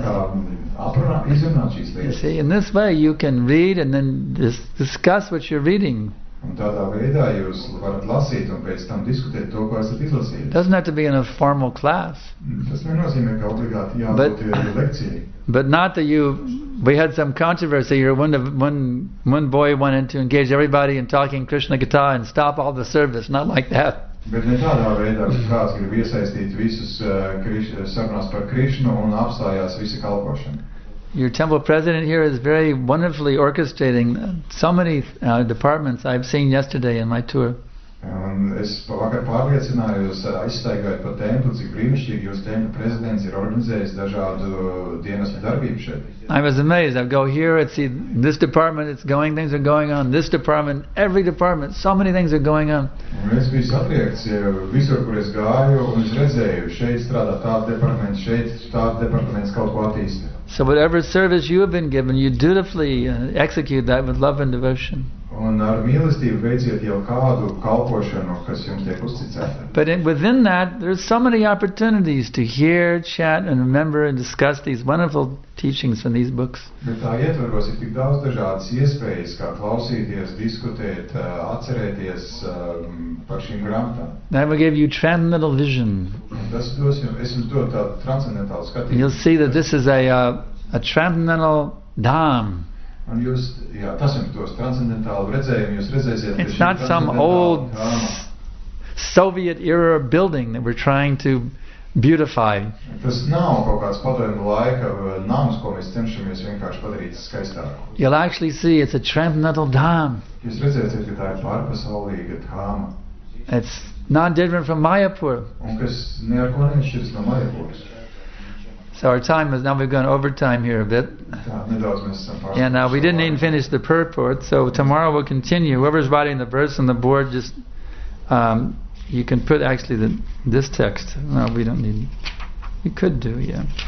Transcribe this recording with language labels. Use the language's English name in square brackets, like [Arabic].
[English] You see, in this way you can read and then discuss what you're reading. [Latvian] Un tādā veidā jūs varat lasīt un pēc tam diskutēt to, ko esat izlasījis. [English] Doesn't have to be in a formal class. [Latvian] Tas nenozīmē, ka obligāti jābūt lekcijai. [English] But not that you, we had some controversy here. One boy wanted to engage everybody in talking Krishna Gita and stop all the service. Not like that. [Latvian] Bet ne tādā veidā, ka kāds grib iesaistīt visus sarunās par Krishna un apstājās visi kalpošana. [English] Your temple president here is very wonderfully orchestrating so many departments I've seen yesterday in my tour. [Latvian] Es vakar pārliecinājos, aizstaigājot pa templu, cik brīnišķīgi jūs templu prezidents ir organizējis dažādu dienestu darbību šeit. [English] I was amazed. I go here and see this department, it's going, things are going on. This department, every department, so many things are going on. [Latvian] Es biju satriekts, visur, kur es gāju, un es redzēju, šeit strādā tāds departaments, šeit tāds departaments kaut ko attīsta. [English] So whatever service you have been given, you dutifully execute that with love and devotion. [Latvian] Un ar mīlestību veiciet jau kādu kalpošanu, kas jums tiek uzticēta. [English] But within that, there's so many opportunities to hear, chat, and remember and discuss these wonderful teachings from these books. [Latvian] Bet tā ietvaros ir tik daudz dažādas iespējas, kā klausīties, diskutēt, atcerēties par šīm grāmatām. [English] That will give you transcendental vision. [Latvian] Tas dos jums, es jums dotu tādu transcendentālu skatījumu. [English] You'll see that this is a transcendental dham. [Latvian] Un jūs, jā, tas jums tos transcendentālu redzējumu, jūs redzēsiet. [English] It's not some old Soviet era building that we're trying to beautify. [Latvian] Tas nav kaut kāds padomju laika nams, ko mēs cenšamies vienkārši padarīt skaistāku. [English] You'll actually see it's a transcendental dham. [Latvian] Jūs redzēsiet, ka tā ir pārpasaulīga dhāma. [English] It's not different from Mayapur. [Latvian] Un kas neko nešķiras no Mayapuras. [English] So our time is now, we've gone over time here a bit. And we didn't even finish the purport, so tomorrow we'll continue. Whoever's writing the verse on the board, just you can put actually this text. No, we don't need. You could do, yeah.